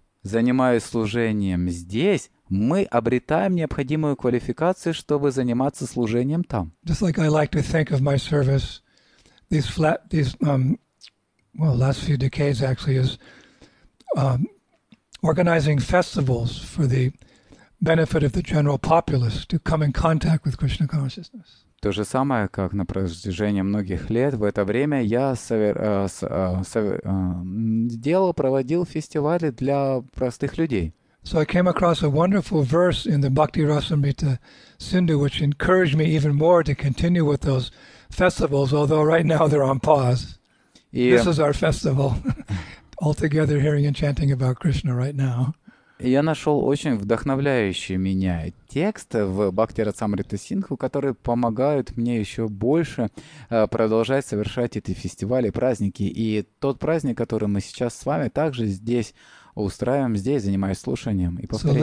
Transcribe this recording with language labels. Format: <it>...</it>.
<ru>Занимаясь служением здесь, мы обретаем необходимую квалификацию, чтобы заниматься служением там.</ru> <en>Just like I like to think of my service last few decades actually is organizing festivals for the benefit of the general populace to come in contact with Krishna consciousness.</en> <ru>То же самое, как на протяжении многих лет в это время я проводил фестивали для простых людей.</ru> <en>So I came across a wonderful verse in the Bhakti Rasamrita Sindhu, which encouraged me even more to continue with those festivals, although right now they're on pause. This is our festival. Altogether hearing and chanting about Krishna right now.</en> <ru>Я нашел очень вдохновляющий меня текст в Бхакти Расамрита Сингху, который помогает мне еще больше продолжать совершать эти фестивали, праздники. И тот праздник, который мы сейчас с вами также здесь устраиваем, здесь занимаюсь слушанием и повторением.</ru>